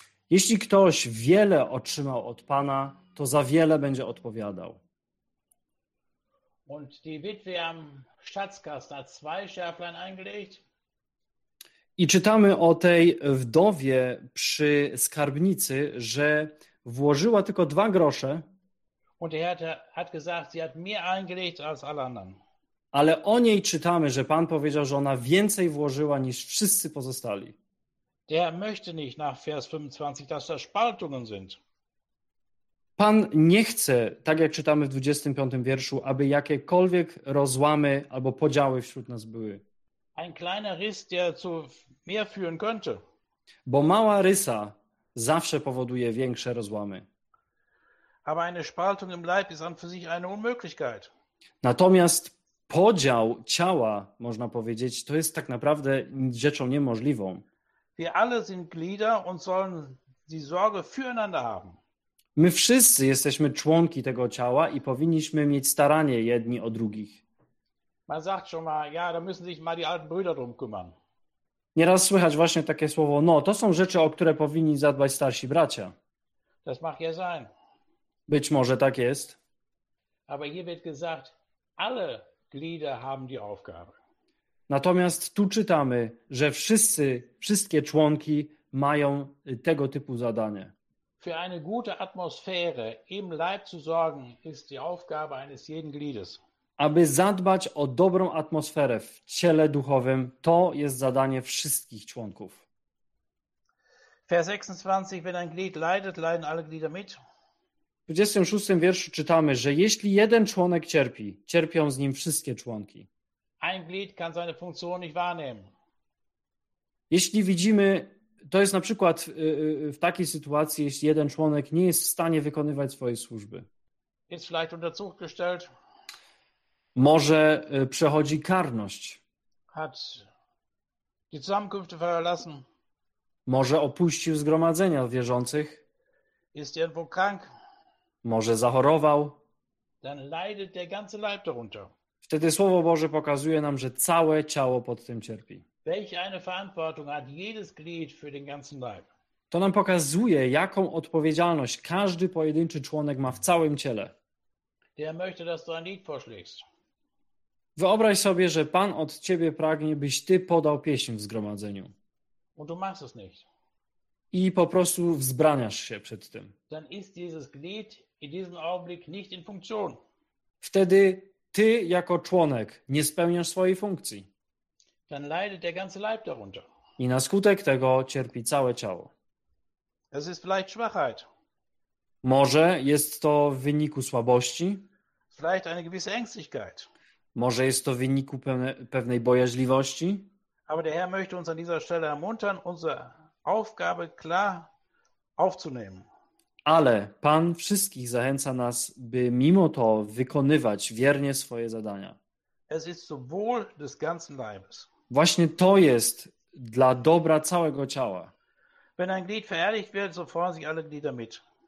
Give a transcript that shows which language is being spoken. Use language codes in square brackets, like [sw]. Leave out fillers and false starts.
[pl] Jeśli ktoś wiele otrzymał od Pana, to za wiele będzie odpowiadał. [de] Und die Witwe am Schatzkasten hat zwei Schärflein eingelegt. [pl] I czytamy o tej wdowie przy skarbnicy, że włożyła tylko dwa grosze. [de] Und der Herr hat gesagt, sie hat mehr eingelegt als alle anderen. [pl] Ale o niej czytamy, że Pan powiedział, że ona więcej włożyła niż wszyscy pozostali. [de] Der möchte nicht nach Vers 25, dass da Spaltungen sind. [pl] Pan nie chce, tak jak czytamy w 25 wierszu, aby jakiekolwiek rozłamy albo podziały wśród nas były. [de] Ein kleiner Riss, der zu mehr führen könnte. [pl] Bo mała rysa zawsze powoduje większe rozłamy. [de] Aber eine Spaltung im Leib ist an für sich eine Unmöglichkeit. [pl] Natomiast podział ciała, można powiedzieć, to jest tak naprawdę rzeczą niemożliwą. [de] Wir alle sind Glieder und sollen die Sorge füreinander haben. [pl] My wszyscy jesteśmy członki tego ciała i powinniśmy mieć staranie jedni o drugich. [de] Man sagt schon mal, ja, da müssen sich mal die alten Brüder drum kümmern. [pl] Nieraz słychać właśnie takie słowo, no, to są rzeczy, o które powinni zadbać starsi bracia. [de] Das mag ja sein. [pl] Być może tak jest. [de] Aber hier wird gesagt, alle Glieder haben die Aufgabe. [pl] Natomiast tu czytamy, że wszystkie członki mają tego typu zadanie. [de] Für eine gute Atmosphäre im Leib zu sorgen, ist die Aufgabe eines jeden Gliedes. [pl] Aby zadbać o dobrą atmosferę w ciele duchowym, to jest zadanie wszystkich członków. [de] Vers 26, wenn ein Glied leidet, leiden alle Glieder mit. [pl] W 26 wierszu czytamy, że jeśli jeden członek cierpi, cierpią z nim wszystkie członki. [de] Ein Glied kann seine Funktion nicht wahrnehmen. [pl] Jeśli widzimy, to jest na przykład w takiej sytuacji, jeśli jeden członek nie jest w stanie wykonywać swojej służby. [de] Ist vielleicht unter Zug gestellt. [pl] Może przechodzi karność. [de] Hat die Zusammenkünfte verlassen. [pl] Może opuścił zgromadzenia wierzących. [de] Ist irgendwo krank. [pl] Może zachorował. [de] Dann leidet der ganze Leib darunter. [pl] Wtedy Słowo Boże pokazuje nam, że całe ciało pod tym cierpi. [de] Welch eine Verantwortung hat jedes Glied für den ganzen Leib? [pl] To nam pokazuje, jaką odpowiedzialność każdy pojedynczy członek ma w całym ciele. [de] Der möchte, dass du ein Lied vorschlägst. [pl] Wyobraź sobie, że Pan od ciebie pragnie, byś ty podał pieśń w zgromadzeniu. [de] Und du machst es nicht. [pl] I po prostu wzbraniasz się przed tym. [de] Dann ist dieses Glied in diesem Augenblick nicht in Funktion. [pl] Wtedy ty jako członek nie spełniasz swojej funkcji. [de] Dann leidet der ganze Leib darunter. [pl] I na skutek tego cierpi całe ciało. [de] Es ist vielleicht Schwachheit. [pl] Może jest to w wyniku słabości. [de] Vielleicht eine gewisse Ängstlichkeit. [pl] Może jest to w wyniku pewnej bojaźliwości. [de] Aber der Herr möchte uns an dieser Stelle ermuntern, unsere Aufgabe klar aufzunehmen. [pl] Ale Pan wszystkich zachęca nas, by mimo to wykonywać wiernie swoje zadania. [de] Es ist zum Wohl des ganzen Leibes. [pl] Właśnie to jest dla dobra całego ciała. [de] Wenn ein Glied verherrlicht wird, so freuen sich alle Glieder mit.